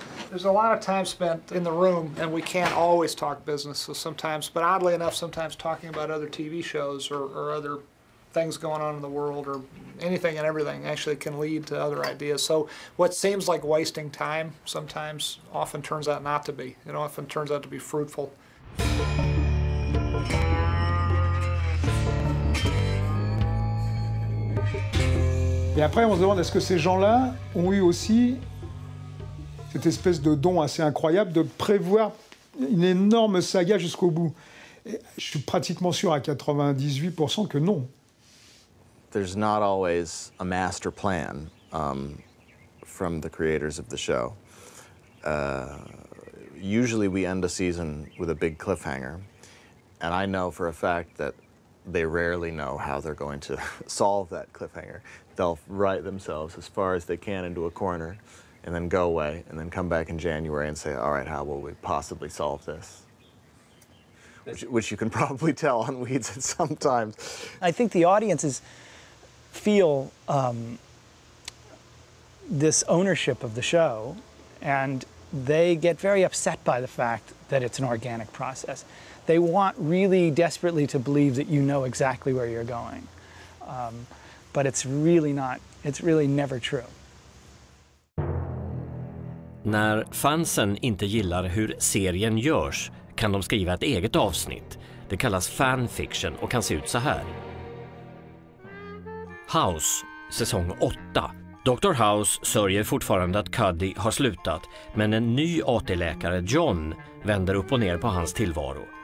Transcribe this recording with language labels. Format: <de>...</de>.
<en>There's a lot of time spent in the room, and we can't always talk business, so sometimes, but oddly enough, sometimes talking about other TV shows or other things going on in the world or anything and everything actually can lead to other ideas. So what seems like wasting time sometimes often turns out not to be. It often turns out to be fruitful.</en> <fr>Et après, on se demande, est-ce que ces gens-là ont eu aussi cette espèce de don assez incroyable de prévoir une énorme saga jusqu'au bout? Et je suis pratiquement sûr à 98% que non.</fr> <en>There's not always a master plan from the creators of the show. Usually we end a season with a big cliffhanger, and I know for a fact that they rarely know how they're going to solve that cliffhanger. They'll write themselves as far as they can into a corner and then go away and then come back in January and say, all right, how will we possibly solve this? Which you can probably tell on Weeds at some time. I think the audience is feel this ownership of the show, and they get very upset by the fact that it's an organic process. They want really desperately to believe that you know exactly where you're going, but it's really not, it's really never true.</en> <sv>När fansen inte gillar hur serien görs kan de skriva ett eget avsnitt. Det kallas fanfiction och kan se ut så här. House, säsong 8. Dr. House sörjer fortfarande att Cuddy har slutat, men en ny AT-läkare, John, vänder upp och ner på hans tillvaro.</sv>